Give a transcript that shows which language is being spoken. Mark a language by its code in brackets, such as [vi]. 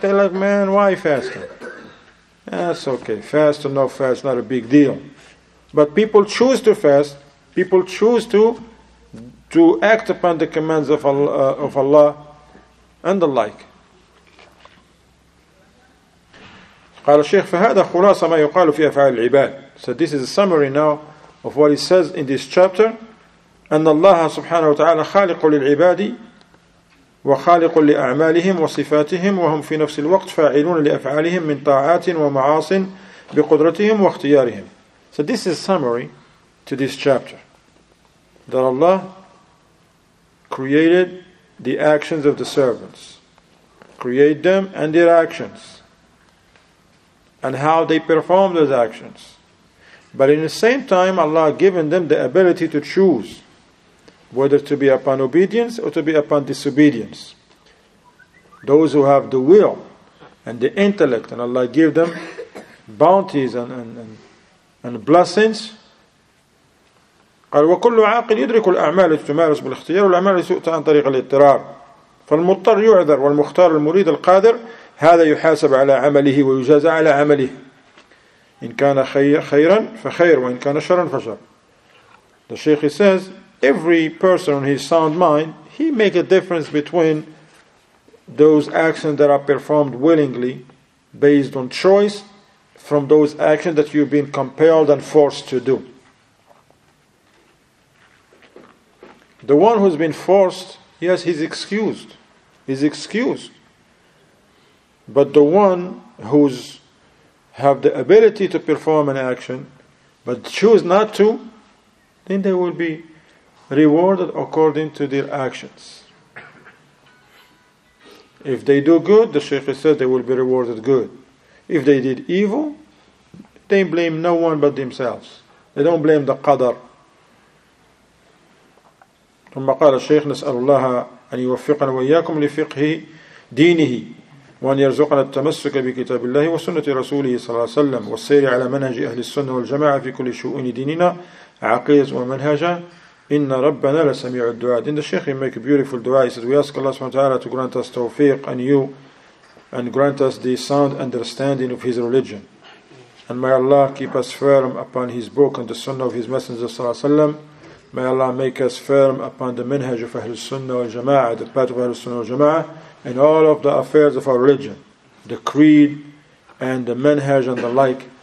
[en] They're like, man, why fasting? That's okay. Fast or no fast, not a big deal. But people choose to fast. People choose to act upon the commands of Allah and the like. [ar] قال الشيخ فهذا خلاص ما يقال في أفعال العباد. [en] So this is a summary now of what he says in this chapter. [ar] أن الله سبحانه وتعالى خالق للعباد وخالق لأعمالهم وصفاتهم وهم في نفس الوقت فاعلون لأفعالهم من طاعات ومعاص بقدرتهم واختيارهم. [en] So this is summary to this chapter, that Allah created the actions of the servants, create them and their actions and how they perform those actions. But in the same time, Allah given them the ability to choose whether to be upon obedience or to be upon disobedience. Those who have the will and the intellect, and Allah give them bounties and blessings. [ar] قال وكل عاقل يدرك الأعمال تمارس بالاختيار والأعمال تؤتى عن طريق الاضطرار فالمضطر يعذر والمختار المريد القادر هذا يحاسب على عمله ويجازى على عمله إن كان خيرا فخير وإن كان شرا فشر. [en] The Sheikh says every person in his sound mind he make a difference between those actions that are performed willingly based on choice from those actions that you've been compelled and forced to do. The one who's been forced, yes, he's excused. He's excused. But the one who's have the ability to perform an action, but choose not to, then they will be rewarded according to their actions. If they do good, the Shaykh says they will be rewarded good. If they did evil, they blame no one but themselves. They don't blame the Qadr. [ar] ثم قال الشيخ نسأل الله أن يوفقنا وإياكم لفقه دينه وأن يرزقنا التمسك بكتاب الله وسنة رسوله صلى الله عليه وسلم والسير على منهج أهل السنة والجماعة في كل شؤون ديننا عقيدة ومنهجا إن ربنا لسميع الدعاء. [en] In the Sheikh he make a beautiful dua. He says we ask Allah subhanahu wa ta'ala to grant us tawfiq and you and grant us the sound understanding of his religion and may Allah keep us firm upon his book and the sunnah of his messenger [ar] صلى الله عليه وسلم. [en] May Allah make us firm upon the minhaj of Ahl-us-Sunnah wal-Jamaa'ah, the path of Ahl-us-Sunnah wal-Jamaa'ah, in all of the affairs of our religion, the creed and the minhaj and the like.